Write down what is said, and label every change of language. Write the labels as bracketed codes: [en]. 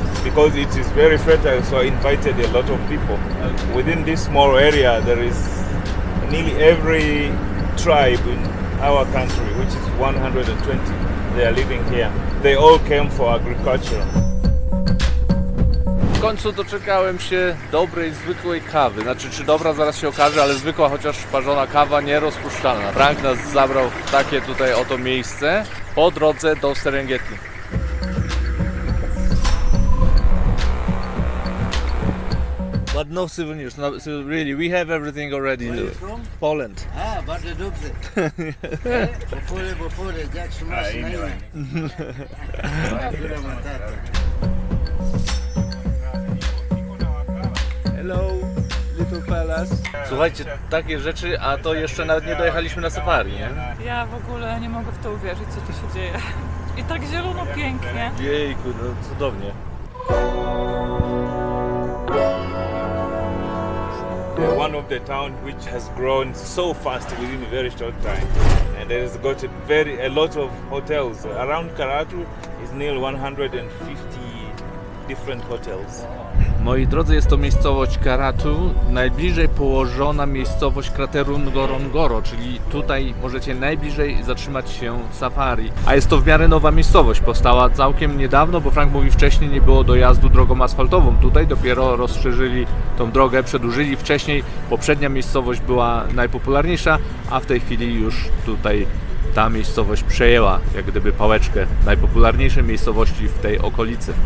[en] Because it is very fertile, so I invited a lot of people. Okay. Within this small area, there is nearly every tribe in our country, which is 120, they are living here. They all came for agriculture. [pl] W końcu doczekałem się dobrej, zwykłej kawy. Znaczy, czy dobra zaraz się okaże, ale zwykła, chociaż parzona kawa, nierozpuszczalna. Frank nas zabrał w takie tutaj oto miejsce, po drodze do Serengeti. [en] But no souvenirs, no, so really, we have everything already. Where are you from? Poland. [pl] Ah, Bardzo dobrze. [en] Before, that's much nicer. Hello, little fellas. [pl] Słuchajcie, takie rzeczy, a to jeszcze nawet nie dojechaliśmy na safari, nie? Ja w ogóle nie mogę w to uwierzyć, co tu się dzieje. I tak zielono pięknie. Jejku, no cudownie. [en] One of the towns which has grown so fast within a very short time, and it has got a lot of hotels. Around Karatu is nearly 150 different hotels. [pl] Moi drodzy, jest to miejscowość Karatu, najbliżej położona miejscowość krateru Ngorongoro, czyli tutaj możecie najbliżej zatrzymać się safari. A jest to w miarę nowa miejscowość, powstała całkiem niedawno, bo Frank mówi, wcześniej nie było dojazdu drogą asfaltową. Tutaj dopiero rozszerzyli tą drogę, przedłużyli wcześniej, poprzednia miejscowość była najpopularniejsza, a w tej chwili już tutaj ta miejscowość przejęła, jak gdyby, pałeczkę najpopularniejszej miejscowości w tej okolicy.